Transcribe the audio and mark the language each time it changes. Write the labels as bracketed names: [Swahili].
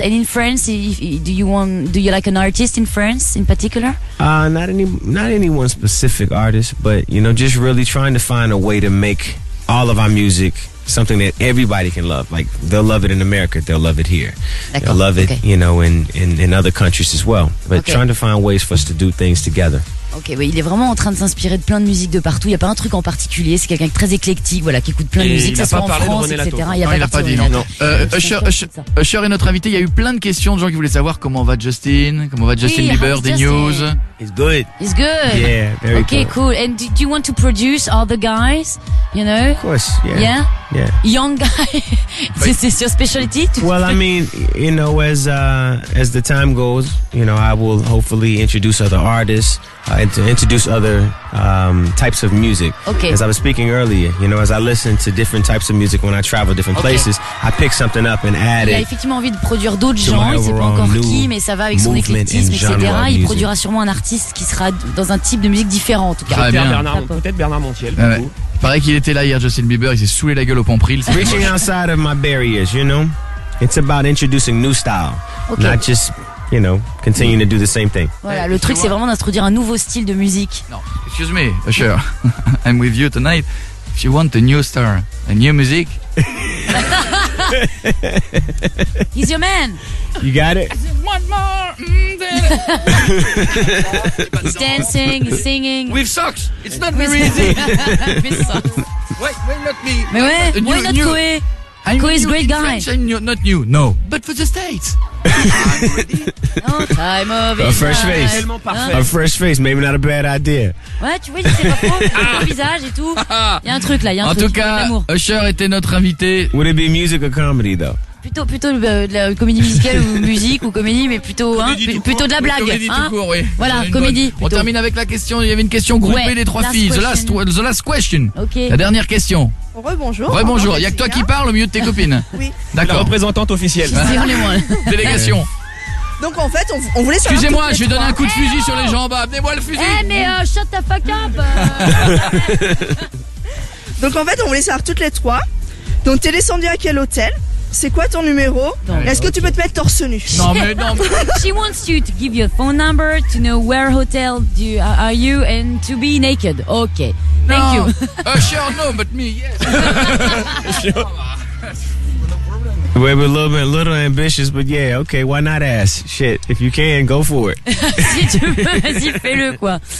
[English] And in France, do you like an artist in France in particular? Not any one specific artist, but, you know, just really trying to find a way to make all of our music something that everybody can love. Like, they'll love it in America, they'll love it here. [French] D'accord. [English] They'll love it, you know, in other countries as well. But trying to find ways for us to do things together. [French] Ok, ouais, il est vraiment en train de s'inspirer de plein de musique de partout. Il n'y a pas un truc en particulier. C'est quelqu'un très éclectique, voilà, qui écoute plein de musique. Il n'a pas parlé France, de René Latour. Etc. Non, il n'a pas dit non. Usher est notre invité. Il y a eu plein de questions de gens qui voulaient savoir comment va Justin Bieber, des news. [English] He's good. Yeah, very okay, cool. And do you want to produce all the guys? You know? Of course, yeah. Yeah? Yeah. Young guy. Is this your specialty? Well, I mean, you know, as the time goes, you know, I will hopefully introduce other artists. And to introduce other types of music. Okay. As I was speaking earlier, you know, as I listen to different types of music when I travel different places, I pick something up and add it. [French] Il a effectivement envie de produire d'autres gens, il sait pas encore qui, mais ça va avec son éclectisme, etc. Il produira sûrement un artiste qui sera dans un type de musique différent, en tout cas. Peut-être Bernard Montiel, du coup. Il paraît qu'il était là hier, Justin Bieber, il s'est saoulé la gueule au Pompril. [English] Reaching outside of my barriers, you know. It's about introducing new style, not just... You know, continuing to do the same thing. [French] Voilà, le truc, c'est vraiment d'introduire un nouveau style de musique. [English] No, excuse me, Usher. I'm with you tonight. If you want a new star, a new music. He's your man. You got it. One more. He's dancing, he's singing. With socks. It's not very easy. With socks. Wait, not me. [French] Mais ouais, [English] why not Koé? Koé is a great guy. Not new, no. But for the States. Oh, time of a fresh face. A fresh face, maybe not a bad idea. [French] Ouais, tu vois, c'est pas faux, le visage et tout. Il y a un truc là, il y a un en truc. En tout cas, Usher était notre invité. [English] Would it be music or comedy though? [French] Plutôt de la comédie musicale ou musique ou comédie, mais plutôt comédie, hein, plutôt court, de la blague. Comédie, hein, tout court, oui. Voilà, comédie. Bonne. On plutôt. Termine avec la question. Il y avait une question groupée des trois filles. [English] The last question. Okay. [French] La dernière question. Rebonjour. Rebonjour. Il y a que toi qui parles au milieu de tes copines. Oui. D'accord. La représentante officielle. Délégation. Donc en fait, on voulait savoir. Excusez-moi, je vais donner un coup de fusil sur les jambes. Amenez-moi le fusil. [English] Shut the fuck up. [French] Donc en fait, on voulait savoir toutes les trois. Donc t'es descendue à quel hôtel? C'est quoi ton numéro? Est-ce que tu peux te mettre torse nu? Non mais. [English] She wants you to give your phone number to know where hotel do you, are you and to be naked. Okay. No. Thank you. Sure, no, but me, yes. Sure. We're a little ambitious, but yeah, okay, why not ask? Shit, if you can, go for it. [French] Si tu veux, vas-y, fais-le quoi.